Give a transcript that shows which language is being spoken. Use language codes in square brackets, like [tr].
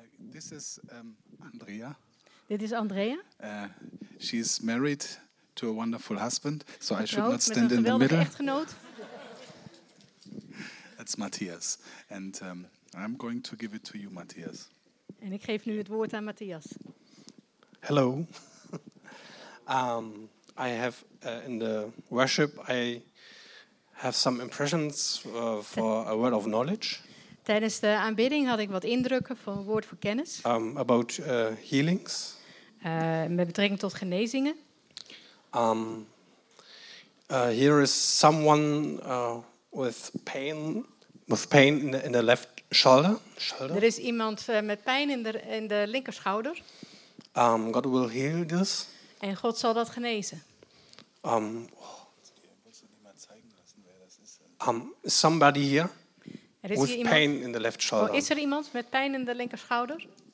[en] This is Andrea. [nl] Dit is Andrea. [en] She is married to a wonderful husband, so I should not stand in the middle. That's Matthias. And I'm going to give it to you, Matthias. [nl] En ik geef nu het woord aan Matthias. [en] Hello. I have in the worship, I have some impressions for a word of knowledge. [nl] Tijdens de aanbidding had ik wat indrukken voor een woord voor kennis. [en] About healings. [nl] Met betrekking tot genezingen. [en] Here is someone with pain in the left shoulder. [nl] Er is iemand met pijn in de linkerschouder. [en] God will heal this. [nl] En God zal dat genezen. [en] Somebody here. With pain in the left shoulder. [nl] Is er iemand met pijn in de linkerschouder?